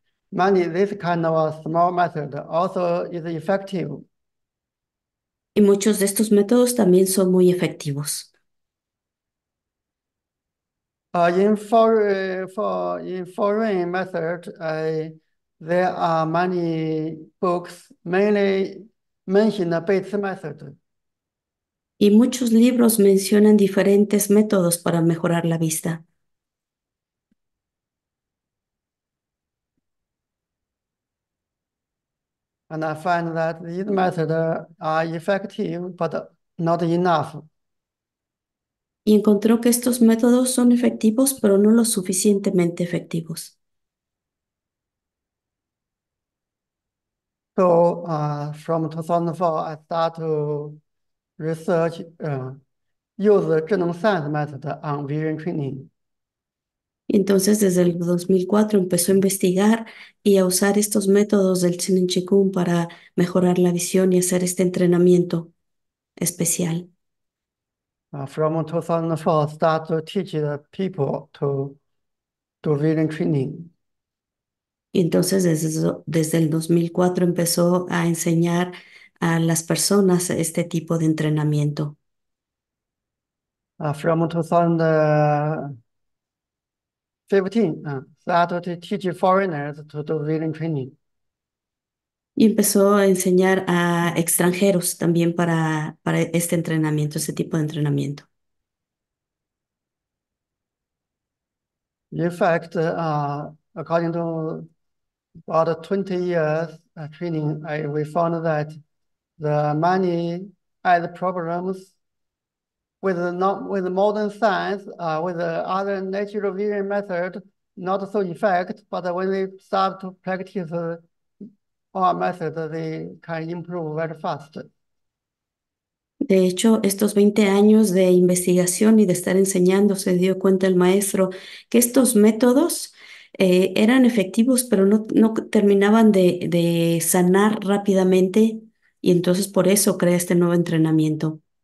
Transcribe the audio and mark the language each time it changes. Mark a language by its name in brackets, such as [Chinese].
[English] Many this kind of small method also is effective. [Spanish] Y muchos de estos métodos también son muy efectivos. [English] In foreign method, there are many books mainly mention the Bates method. [Spanish] Y muchos libros mencionan diferentes métodos para mejorar la vista. [English] And I find that these methods are effective, but not enough. [Spanish] Y encontró que estos métodos son efectivos, pero no lo suficientemente efectivos. [English] So, from 2004, I start to research, use the general science method on vision training. [Spanish] Y entonces, desde el 2004 empezó a investigar y a usar estos métodos del Zhen Qigong para mejorar la visión y hacer este entrenamiento especial. [English] From 2004, start to teach the people to do vision training. [Spanish] Y entonces desde el 2004 empezó a enseñar a las personas este tipo de entrenamiento. [English] From 2015, started to teach foreigners to do vision training. [Spanish] Y empezó a enseñar a extranjeros también para este entrenamiento, este tipo de entrenamiento. [English] In fact, according to about 20 years training, we found that the many eye problems with modern science, with the other natural viewing method, not so effective, but when they start to practice our method, they can improve very fast. [Spanish] De hecho, estos 20 años de investigación y de estar enseñando, se dio cuenta el maestro que estos métodos eran efectivos, pero no terminaban de sanar rápidamente, y entonces por eso crea este nuevo entrenamiento.